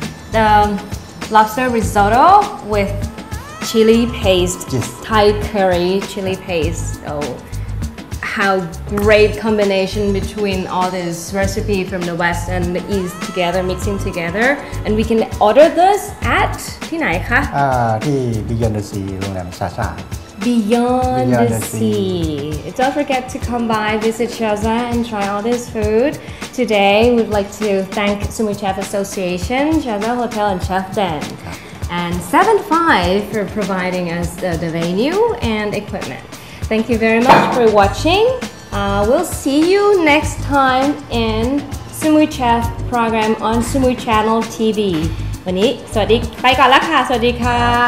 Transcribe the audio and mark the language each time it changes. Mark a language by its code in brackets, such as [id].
[en] The lobster risotto with chili paste, yes. Thai curry chili paste. Oh, how great combination between all this recipe from the West and the East together, mixing together. And we can order this. [th] ที่ไหนคะ ที่ Beyond the Sea โรงแรมซาซา [en] Beyond the Sea Don't forget to come by visit Chaza and try all this food today we'd like to thank Sumu Chef Association Chaza Hotel and Chef Den and 75 for providing us the venue and equipment thank you very much for watching we'll see you next time in Sumu Chef program on Sumu Channel TV [th] วันนี้สวัสดีไปก่อนแล้วค่ะสวัสดีค่ะ